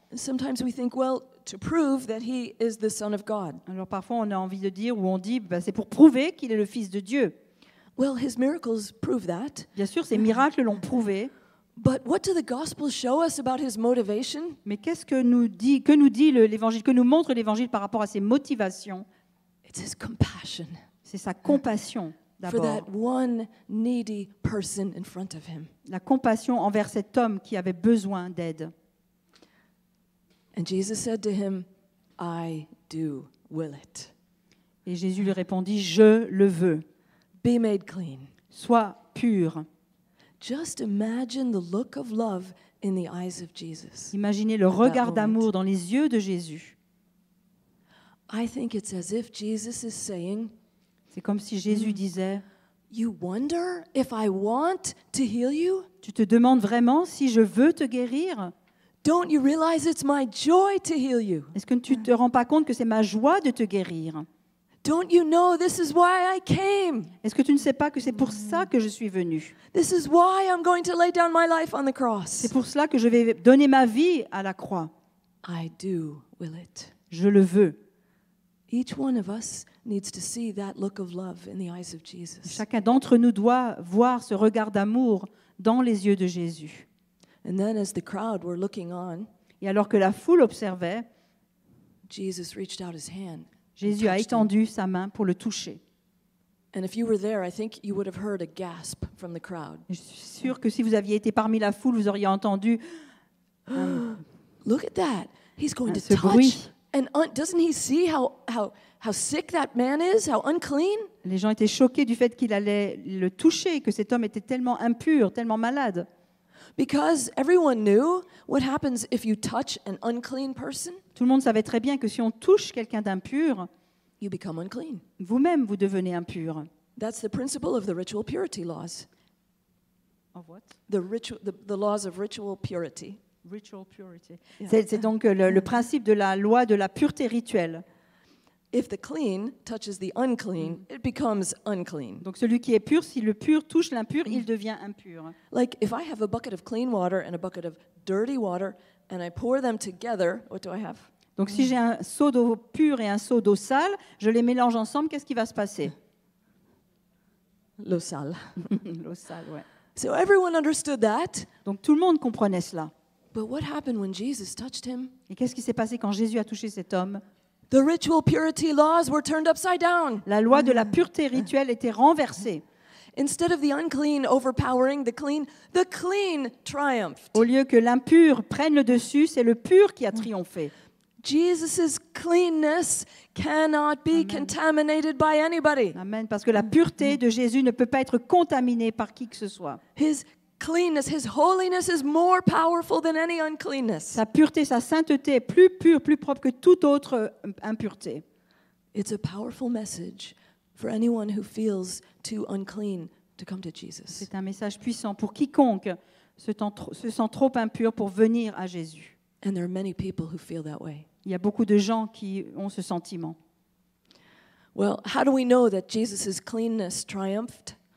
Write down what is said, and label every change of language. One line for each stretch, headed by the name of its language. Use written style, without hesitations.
English: Sometimes we think, well, to prove that he is the Son of God.
French: Alors parfois on a envie de dire ou on dit, ben, c'est pour prouver qu'il est le Fils de Dieu.
English: Well, his miracles prove that.
French: Bien sûr, ses miracles l'ont prouvé.
English: But what do the gospel show us about his motivation?
French: Mais qu'est-ce que nous dit l'évangile, que nous montre l'évangile par rapport à ses motivations?
English: It's his compassion.
French: C'est sa compassion d'abord.
English: For that one needy person in front of him.
French: La compassion envers cet homme qui avait besoin d'aide.
English: And Jesus said to him, I do will it.
French: Et Jésus lui répondit, je le veux.
English: Be made clean.
French: Sois pur.
English: Just imagine the look of love in the eyes of Jesus.
French: Imaginez le regard d'amour dans les yeux de Jésus.
English: I think it's as if Jesus is saying,
French: c'est comme si Jésus disait,
English: you wonder if I want to heal you?
French: Tu te demandes vraiment si je veux te guérir?
English: Don't you realize it's my joy to heal you?
French: Est-ce que tu te rends pas compte que c'est ma joie de te guérir?
English: Don't you know this is why I came?
French: Est-ce que tu ne sais pas que c'est pour ça que je suis venu?
English: This is why I'm going to lay down my life on the cross.
French: C'est pour cela que je vais donner ma vie à la croix.
English: I do will it.
French: Je le veux.
English: Each one of us needs to see that look of love in the eyes of Jesus.
French: Chacun d'entre nous doit voir ce regard d'amour dans les yeux de Jésus.
English: And then as the crowd were looking on,
French: et alors que la foule observait,
English: Jesus reached out his hand.
French: Jésus a étendu sa main pour le toucher.
English: And if you were there, I think you would have heard a gasp from the crowd.
French: Je suis sûr que si vous aviez été parmi la foule, vous auriez entendu
English: Look at that. He's going to touch. And doesn't he see how sick that man is? How unclean?
French: Les gens étaient choqués du fait qu'il allait le toucher, que cet homme était tellement impur, tellement malade.
English: Because everyone knew what happens if you touch an unclean person.
French: Tout le monde savait très bien que si on touche quelqu'un d'impur,
English: you become unclean.
French: Vous-même, vous devenez impur.
English: That's the principle of the ritual purity laws. Of what? The laws of ritual purity. Ritual purity. Yeah.
French: C'est donc le principe de la loi de la pureté rituelle.
English: If the clean touches the unclean, it becomes unclean.
French: Donc celui qui est pur, si le pur touche l'impur, il devient impur.
English: Like if I have a bucket of clean water and a bucket of dirty water and I pour them together, what do I have?
French: Donc si j'ai un seau d'eau pure et un seau d'eau sale, je les mélange ensemble, qu'est-ce qui va se passer? L'eau sale. L'eau sale, ouais.
English: So everyone understood that.
French: Donc tout le monde comprenait cela.
English: But what happened when Jesus touched him?
French: Et qu'est-ce qui s'est passé quand Jésus a touché cet homme?
English: The ritual purity laws were turned upside down.
French: La loi de la pureté rituelle était renversée.
English: Instead of the unclean overpowering the clean triumphed.
French: Au lieu que l'impur prenne le dessus, c'est le pur qui a triomphé.
English: Jesus's cleanness cannot be contaminated by anybody. Amen.
French: Parce que la pureté de Jésus ne peut pas être contaminée par qui que ce soit.
English: His cleanness, his holiness is more powerful than any uncleanness.
French: Sa pureté, sa sainteté est plus pure, plus propre que toute autre impureté.
English: It's a powerful message for anyone who feels too unclean to come to Jesus.
French: C'est un message puissant pour quiconque se sent trop impur pour venir à Jésus.
English: And there are many people who feel that way.
French: Il y a beaucoup de gens qui ont ce sentiment.
English: Well, how do we know that Jesus's cleanness triumphed?